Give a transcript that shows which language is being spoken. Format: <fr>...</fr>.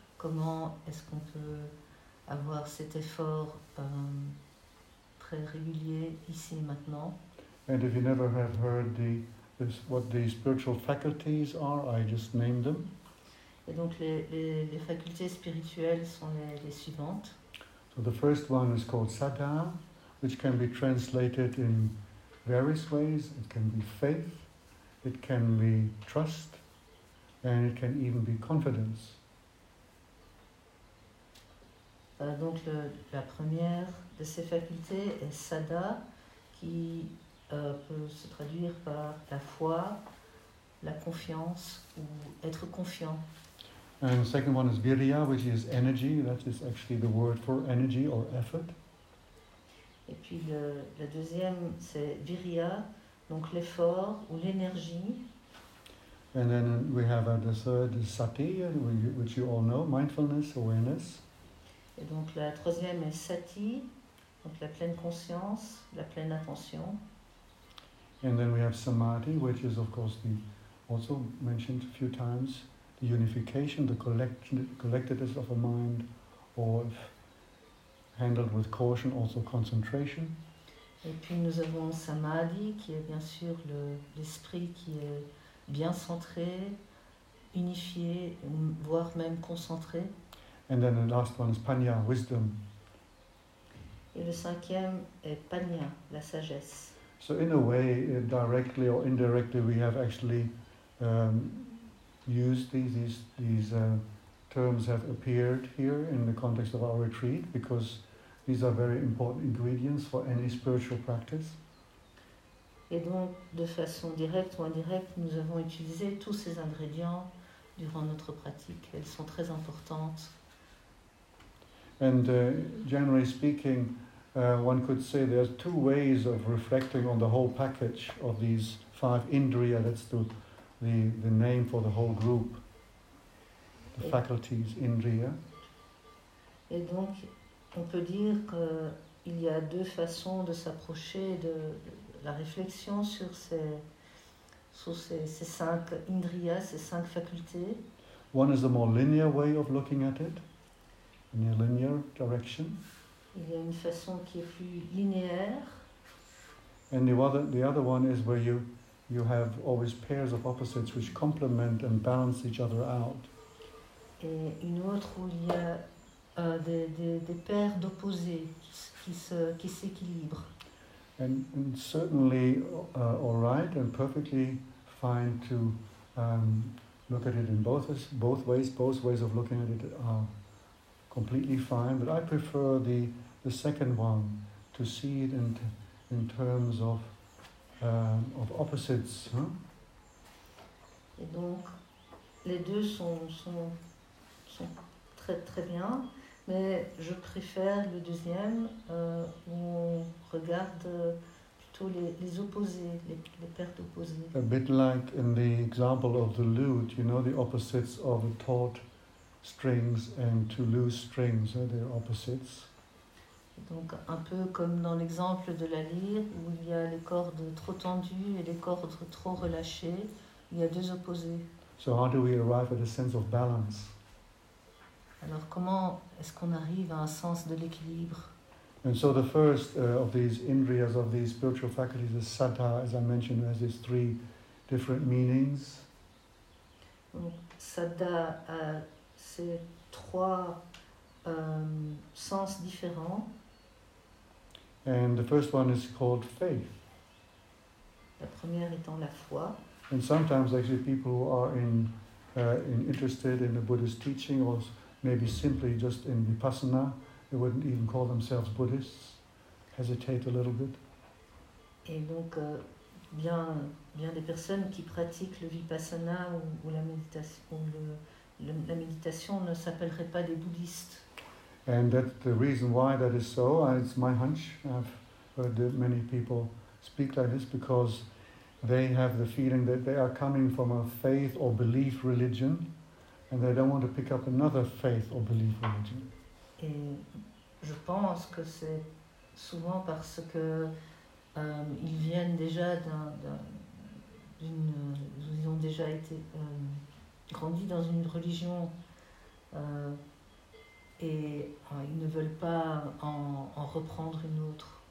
<fr>Comment est-ce qu'on peut avoir cet effort très régulier ici et maintenant?</fr> <en>And if you never have heard what the spiritual faculties are, I just named them.</en> <fr>Et donc les facultés spirituelles sont les suivantes.</fr> <en>So the first one is called Saddha, which can be translated in various ways. It can be faith, it can be trust, and it can even be confidence.</en> <fr>Donc la première de ces facultés est Saddha, qui peut se traduire par la foi, la confiance ou être confiant.</fr> <en>And the second one is virya, which is energy. That is actually the word for energy or effort.</en> <fr>Et puis la deuxième, c'est virya, donc l'effort ou l'énergie.</fr> <en>And then we have the third is sati, which you all know, mindfulness, awareness.</en> <fr>Et donc la troisième est sati, donc la pleine conscience, la pleine attention.</fr> <en>And then we have samadhi, which is of course the also mentioned a few times. Unification, the collectedness of a mind, or if handled with caution, also concentration.</en> <fr>Et puis nous avons samadhi, qui est bien sûr l'esprit qui est bien centré, unifié, voire même concentré.</fr> <en>And then the last one is panya, wisdom.</en> <fr>Et le cinquième est panya, la sagesse.</fr> <en>So in a way, directly or indirectly, we have actually used these terms have appeared here in the context of our retreat because these are very important ingredients for any spiritual practice.</en> <fr>Et donc, de façon directe ou indirecte, nous avons utilisé tous ces ingrédients durant notre pratique. Elles sont très importantes.</fr> <en>And generally speaking, one could say there are two ways of reflecting on the whole package of these five indriya. Let's do the name for the whole group, the faculties, indriya.</en> <fr>Et donc, on peut dire qu'il y a deux façons de s'approcher de la réflexion sur ces cinq indriya, ces cinq facultés.</fr> <en>One is the more linear way of looking at it, in a linear direction.</en> <fr>Il y a une façon qui est plus linéaire.</fr> <en>And the other one is where you have always pairs of opposites which complement and balance each other out.</en> <fr>Et une autre où il y a des paires d'opposés qui s'équilibrent.</fr> <en>And certainly all right and perfectly fine to look at it in both ways of looking at it are completely fine, but I prefer the second one, to see it in terms of opposites. Hein?</en> <fr>Et donc, les deux sont très très bien, mais je préfère le deuxième où on regarde plutôt les opposés, les paires d'opposés.</fr> <en>A bit like in the example of the lute, you know, the opposites of the taut strings and two loose strings, hein, they're opposites.</en> <fr>Donc un peu comme dans l'exemple de la lyre, où il y a les cordes trop tendues et les cordes trop relâchées, il y a deux opposés.</fr> <en>So how do we arrive at a sense of balance?</en> <fr>Alors comment est-ce qu'on arrive à un sens de l'équilibre?</fr> <en>And so the first of these indriyas, of these spiritual faculties, is Saddha, as I mentioned, has these three different meanings.</en> <fr>Donc, Saddha a ces trois sens différents.</fr> <en>And the first one is called faith.</en> <fr>La première étant la foi.</fr> <en>And sometimes actually people who are interested in the Buddhist teaching or maybe simply just in Vipassana, they wouldn't even call themselves Buddhists, hesitate a little bit.</en> <fr>Et donc bien des personnes qui pratiquent le Vipassana ou la méditation, la méditation ne s'appellerait pas des bouddhistes.</fr> <en>And that the reason why that is so, it's my hunch, I've heard that many people speak like this, because they have the feeling that they are coming from a faith or belief religion, and they don't want to pick up another faith or belief religion.</en> <fr>Et je pense que c'est souvent parce que ils viennent déjà ils ont déjà été grandis dans une religion et ils ne veulent pas en reprendre une autre.</fr>